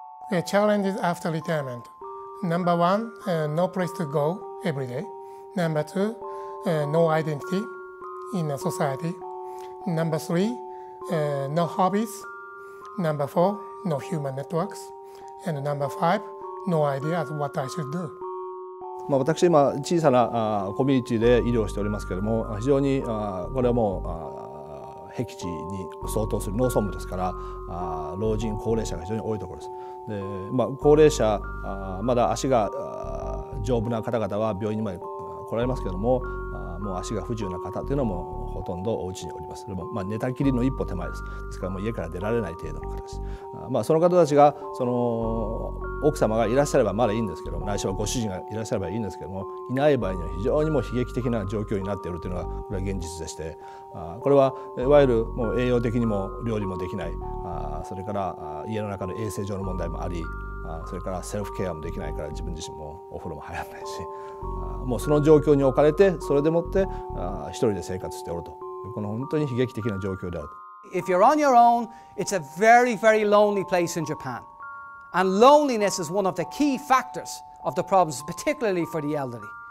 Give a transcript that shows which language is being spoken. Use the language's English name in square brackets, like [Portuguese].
[English] The challenges after retirement. Number one, no place to go every day. Number two, no identity in a society. Number three, no hobbies. Number four, no human networks. And number five, no idea of what I should do. [Japanese] まあ、私今小さなコミュニティで医療しておりますけれども、非常にこれはもう僻地に相当する農村部ですから、老人高齢者が非常に多いところです。で、まあ、高齢者まだ足が丈夫な方々は病院にまで来られますけれども、もう足が不自由な方というのもほとんどお家におります。でも、まあ、寝たきりの一歩手前です。ですからもう家から出られない程度の方です。まあ、その方たちがその奥様がいらっしゃればまだいいんですけども、内緒はご主人がいらっしゃればいいんですけども、いない場合には非常にもう悲劇的な状況になっているというのがこれは現実でして、これはいわゆるもう栄養的にも料理もできない、それから家の中の衛生上の問題もあり、それからセルフケアもできないから自分自身もお風呂も入らないし、もうその状況に置かれて、それでもって一人で生活しておると、この本当に悲劇的な状況である。 [English] If you're on your own, it's a very, very lonely place in Japan. And loneliness is one of the key factors of the problems, particularly for the elderly.